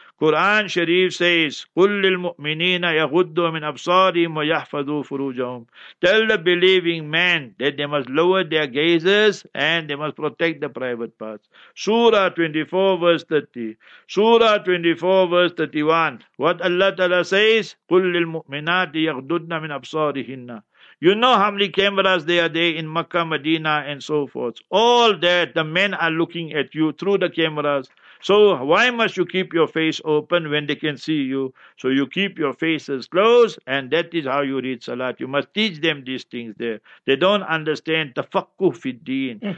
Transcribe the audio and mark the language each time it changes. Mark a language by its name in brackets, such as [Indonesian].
[English] Quran Sharif says, [Arabic] قُلْ لِلْمُؤْمِنِينَ يَغُدُّوا مِنْ أَبْصَارِهِمْ وَيَحْفَظُوا فُرُوجَهُمْ. [English] Tell the believing men that they must lower their gazes and they must protect the private parts. Surah 24 verse 30. Surah 24 verse 31. What Allah Ta'ala says, [Arabic] قُلْ لِلْمُؤْمِنَاتِ يَغْدُدْنَ مِنْ أَبْصَارِهِنَّ. [English] You know how many cameras there are there in Makkah, Medina and so forth. All that, the men are looking at you through the cameras. So why must you keep your face open when they can see you? So you keep your faces closed, and that is how you read Salat. You must teach them these things there. They don't understand tafakkuh fi deen.